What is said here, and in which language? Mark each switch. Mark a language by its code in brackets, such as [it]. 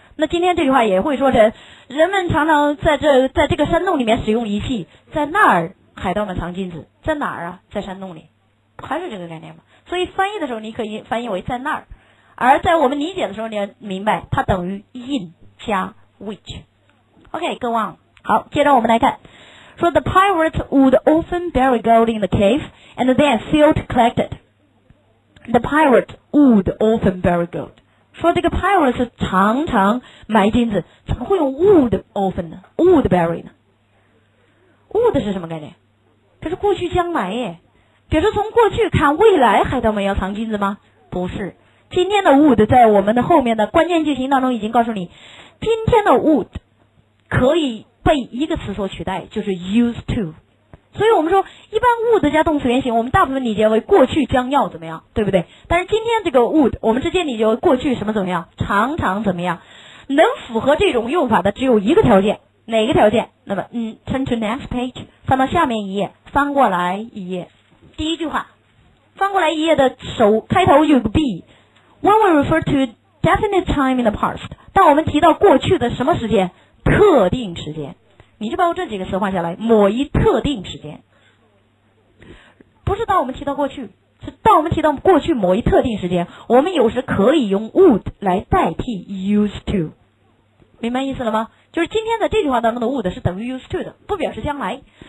[zh] 那今天这句话也会说成人们常常在这个山洞里面使用仪器，在那儿海盗们藏金子，在哪儿啊？在山洞里，还是这个概念吗？所以翻译的时候你可以翻译为在那儿，而在我们理解的时候你要明白它等于 in加 which。 [en] OK， go on。 [zh] 好，接着我们来看，说 [en] the pirates would often bury gold in the cave and then fail to collect it。 the pirates would often bury gold， [zh] 说这个 pirates 常常埋金子，怎么会用 would often 呢？ would bury 呢？ would 是什么概念？这是过去将来耶，表示从过去看未来海盗们要藏金子吗？不是，今天的 would 在我们的后面的关键句型当中已经告诉你，今天的 would 可以被一个词所取代，就是 used to。所以我们说一般 would 加动词原形我们大部分理解为过去将要怎么样，对不对？但是今天这个 would 我们直接理解为过去什么怎么样，常常怎么样。能符合这种用法的只有一个条件，哪个条件？那么 [en] turn to next page， [zh] 翻到下面一页，翻过来一页，第一句话，翻过来一页的首开头有个 be。 [en] When we refer to definite time in the past， [zh] 当我们提到过去的什么时间？特定时间。你就把我这几个词画下来，某一特定时间，不是当我们提到过去，是当我们提到过去某一特定时间，我们有时可以用 would 来代替 used to， 明白意思了吗？就是今天在这句话当中的 would 是等于 used to 的，不表示将来。